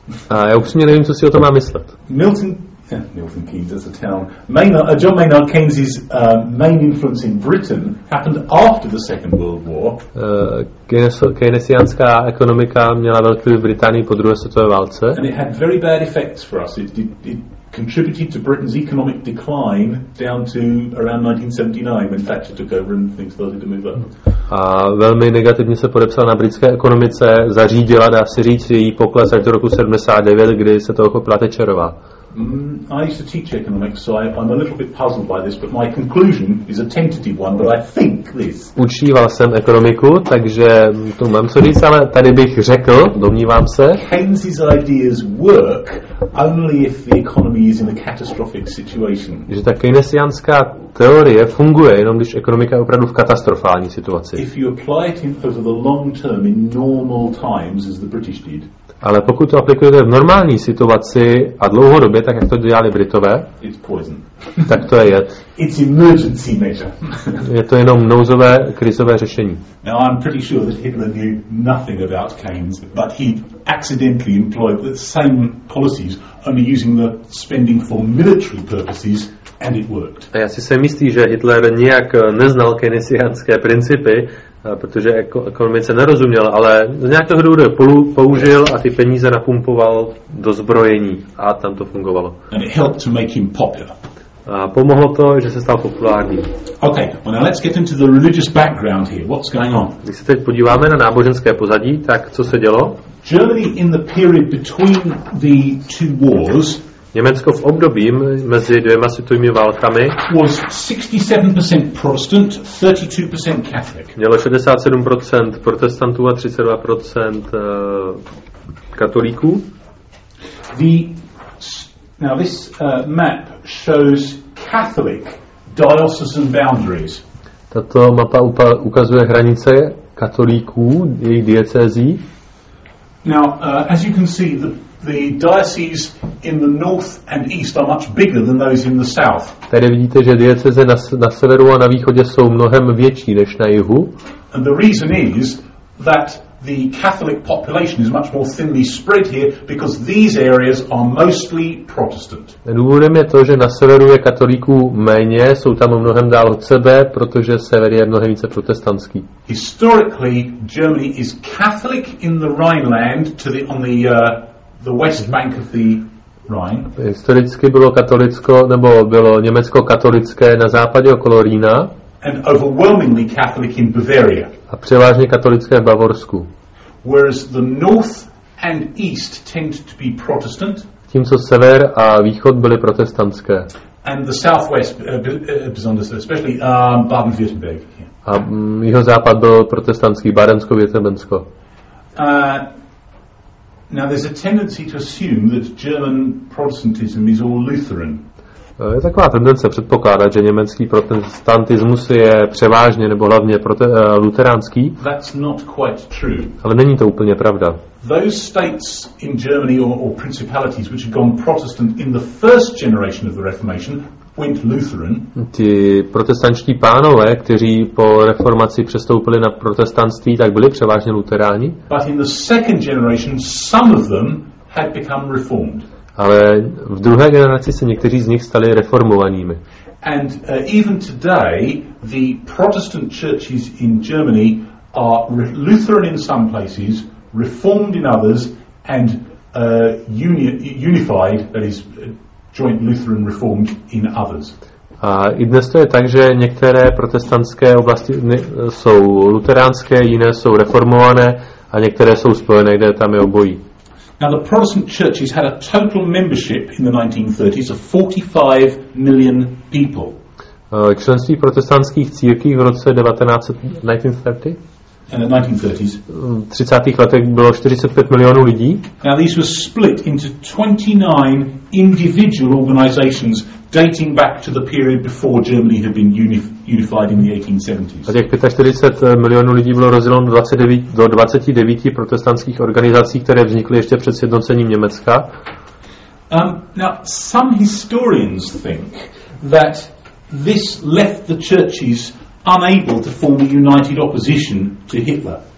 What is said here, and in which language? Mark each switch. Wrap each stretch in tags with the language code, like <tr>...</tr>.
<cs>A já upřímně nevím, co si o tom má myslet.</cs> <en>Milton Keynes is a town. John Maynard Keynes's main influence in Britain happened after the Second World War.</en> <cs>Keynesiánská ekonomika měla velký vliv v Británii po druhé světové válce.</cs> <en>And it had very bad effects for us. It contributed to Britain's economic decline down to around 1979 when Thatcher took over and things started to move up.</en> <cs>A velmi negativně se podepsala na britské ekonomice, zařídila, dá se říct, její pokles až do roku 79, kdy se to ochopila Thatcherová.</cs> <en>I used to teach economics, so I'm a little bit puzzled by this, but my conclusion is a tentative one, but I think this.</en> <cs>Učíval jsem ekonomiku, takže to mám co říct, ale tady bych řekl, domnívám se.</cs> <en>Keynes's ideas work only if the economy is in a catastrophic situation.</en> <cs>Že ta keynesiánská teorie funguje jenom když ekonomika je opravdu v katastrofální situaci.</cs> <en>If you apply it over the long term in normal times, as the British did.</en> <cs>Ale pokud to aplikujete v normální situaci a dlouhodobě, tak jak to dělali Britové, tak to je jed.</cs> <en>It's emergency measure.</en> <cs>Je to jenom nouzové, krizové řešení.</cs> <en>Now I'm pretty sure that Hitler knew nothing about Keynes, but he accidentally employed the same policies, only using the spending for military purposes, and it worked.</en> <cs>A já si se myslí, že Hitler nijak neznal keynesiánské principy, protože ekonomice nerozuměl, ale z nějakého důvodu použil a ty peníze napumpoval do zbrojení a tam to fungovalo.</cs> <en>And it helped to make him popular.</en> <cs>A pomohlo to, že se stal populární.</cs> <en>Okay, well now let's get into the religious background here. What's going on?</en> <cs>Když se teď podíváme na náboženské pozadí, tak co se dělo?</cs> <en>Germany in the period between the two wars.</en> <cs>Německo v období mezi dvěma světovými válkami</cs> <en>was 67% Protestant, 32% Catholic.</en> <cs>Mělo 67% protestantů a 32% katolíků.</cs> <en>This map shows Catholic diocesan boundaries.</en> <cs>Tato mapa ukazuje hranice katolíků, jejich diecézí.</cs> <en>Now, as you can see, the dioceses in the north and east are much bigger than those in the south.</en> <cs>Tady vidíte, že diecéze na severu a na východě jsou mnohem větší než na jihu.</cs> <en>And the reason is that the Catholic population is much more thinly spread here because these areas are mostly Protestant.</en> <cs>Důvodem je to, že na severu je katolíků méně, jsou tam mnohem dál od sebe, protože sever je mnohem více protestantský.</cs> <en>Historically, Germany is Catholic in the Rhineland to the on the west bank of the Rhine.</en> <cs>Historicky bylo katolicko nebo bylo Německo katolické na západě okolo Rýna.</cs> <en>And overwhelmingly Catholic in Bavaria.</en> <cs>A převážně katolické v Bavorsku.</cs> <en>Whereas the north and east tend to be Protestant.</en> <cs>Tímco sever a východ byly protestantské.</cs> <en>And the southwest, especially Baden-Württemberg.</en> <cs>A jihozápad byl protestantský, Bádensko-Württembersko.</cs> <en>Now there's a tendency to assume that German Protestantism is all Lutheran.</en> <cs>Je taková tendence předpokládat, že německý protestantismus je převážně nebo hlavně luteránský.</cs> <en>That's not quite true.</en> <cs>Ale není to úplně pravda.</cs> <en>Those states in Germany or principalities which had gone Protestant in the first generation of the Reformation went Lutheran.</en> <cs>Ti protestantští pánové, kteří po reformaci přestoupili na protestantství, tak byli převážně luteráni.</cs> <en>But in the second generation some of them had become reformed.</en> <cs>Ale v druhé generaci se někteří z nich stali reformovanými.</cs> <en>And even today the Protestant churches in Germany are Lutheran in some places, reformed in others and unified, that is joint Lutheran reformed in others.</en> <cs>A i dnes to je tak, že některé protestantské oblasti jsou luteránské, jiné jsou reformované a některé jsou spojené, kde tam je obojí.</cs> <en>Now the Protestant churches had a total membership in the 1930s of 45 million people.</en> <cs>Členství protestantských církví v roce 1930?</cs> <en>in the 1930s.</en> <cs>V 30. letech bylo 45 milionů lidí.</cs> <en>Now these were split into 29 individual organizations dating back to the period before Germany had been unified in the 1870s.</en> <cs>A těch 45 milionů lidí bylo rozděleno do 29 protestantských organizací, které vznikly ještě před sjednocením Německa.</cs> <en>Now some historians think that this left the churches unable to form a united opposition to Hitler.</en>